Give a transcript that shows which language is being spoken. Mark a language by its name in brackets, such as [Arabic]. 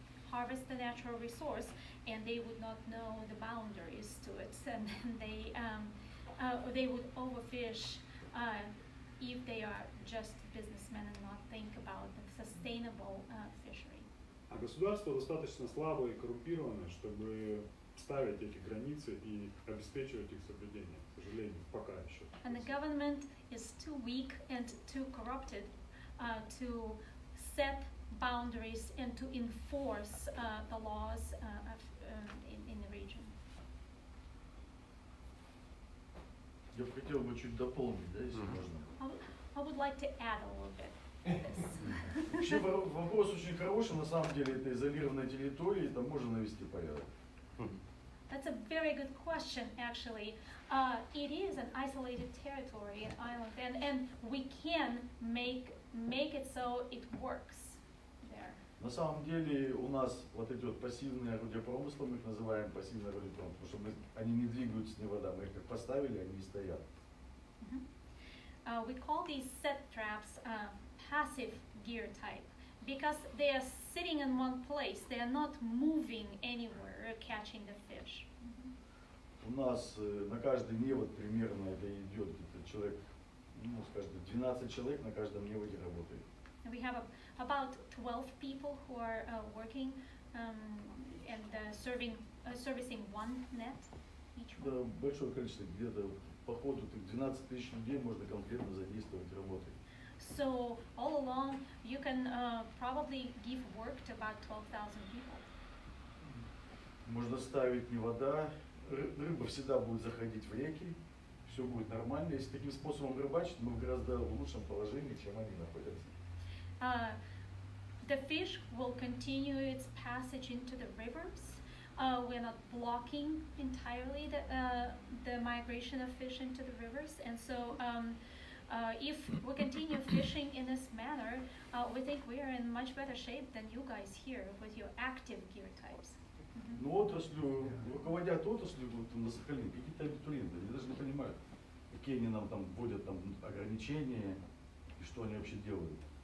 [English] harvest the natural resource, and they would not know the boundaries to it, and then they would overfish if they are just businessmen and not think about the sustainable fishery. [Russian] А государство достаточно слабое и коррумпированное, чтобы ставить эти границы и обеспечивать их соблюдение, к сожалению, пока еще. [English] And the government is too weak and too corrupted to set boundaries and to enforce the laws in the region. [Russian] Я бы хотел бы чуть дополнить, да, если можно. [English] I would like to add a little bit. [Russian] Вообще вопрос очень хороший, на самом деле, это изолированная территория, там можно навести порядок. [English] That's a very good question, actually. It is an isolated territory, an island, and we can make it so it works there. [Russian] На самом деле у нас вот эти вот пассивные орудия промысла, мы их называем пассивные орудия промысла, потому что они не двигаются ни вода, мы их как поставили, они и стоят. [English] We call these set traps passive gear type because they are sitting in one place, they are not moving anywhere or catching the fish. [Russian] У нас на каждый невод примерно это идет где-то человек, скажем, 12 человек на каждом неводе работает. [English] We have about 12 people who are working and servicing one net each one. [Russian] Да, большое количество, где-то по ходу 12 тысяч людей можно конкретно задействовать работы. [English] So all along you can probably give work to about 12,000 people. [Russian] Мы можно ставить не вода, рыба всегда будет заходить в реки, все будет нормально. Если таким способом рыбачить, мы в гораздо лучшем положении, чем они находятся. [English] The fish will continue its passage into the rivers. We're not blocking entirely the migration of fish into the rivers. And so if we continue fishing in this manner, we think we are in much better shape than you guys here with your active gear types. [Russian] Ну, отраслю, руководят отраслью на Сахалине, какие-то абитуриенты, они даже не понимают, какие они нам там вводят там ограничения и что они вообще делают.